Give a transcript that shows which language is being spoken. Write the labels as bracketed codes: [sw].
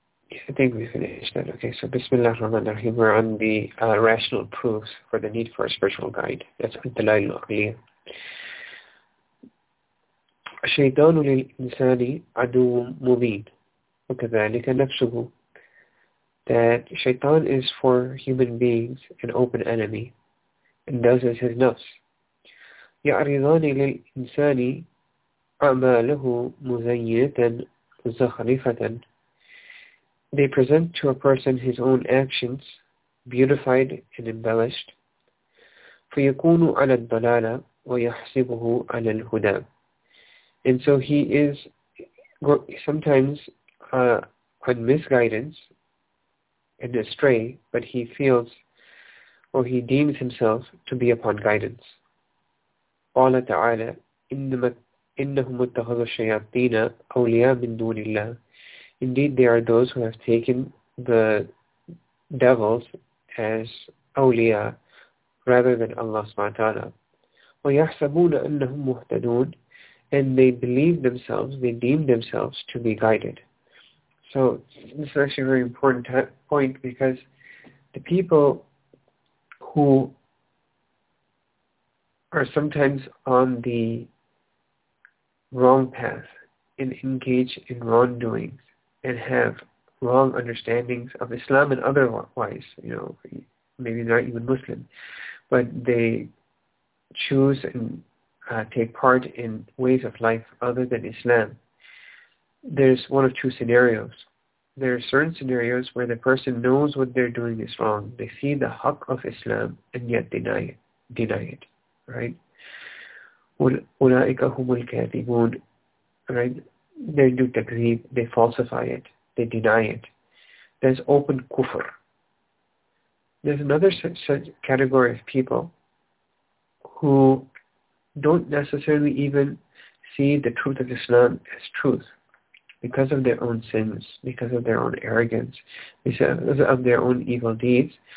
[en] Yeah, I think we finished that. Okay, so Bismillah ar-Rahman ar-Rahim, we're on the rational proofs for the need for a spiritual guide. That's at the land of Aqliya. [ar] الشيطان للإنسان عدو مبين وكذلك نفسه. [en] That shaitan is for human beings an open enemy, and thus is his nafs. [ar] يعرضان للإنسان أعماله مزينة زخرفة. [en] They present to a person his own actions beautified and embellished. [ar] فيكون على الضلالة ويحسبه على الهدى. [en] And so he is sometimes on misguidance and astray, but he feels or he deems himself to be upon guidance. [ar] قال تعالى إنهم اتخذوا الشياطين أولياء من دون الله. [en] Indeed, they are those who have taken the devils as أولياء rather than Allah subhanahu wa ta'ala. [ar] ويحسبون أنهم مهتدون. [en] And they believe themselves, they deem themselves to be guided. So this is actually a very important point, because the people who are sometimes on the wrong path and engage in wrongdoings and have wrong understandings of Islam and otherwise, you know, maybe not even Muslim, but they choose and take part in ways of life other than Islam, there's one of two scenarios. There are certain scenarios where the person knows what they're doing is wrong. They see the haqq of Islam and yet deny it, right? [ar] أُولَٰئِكَ هُمُ الْكَاذِبُونَ, right? [en] They do takzeeb, they falsify it, they deny it. There's open kufr. There's another such category of people who don't necessarily even see the truth of Islam as truth because of their own sins, because of their own arrogance, because of their own evil deeds.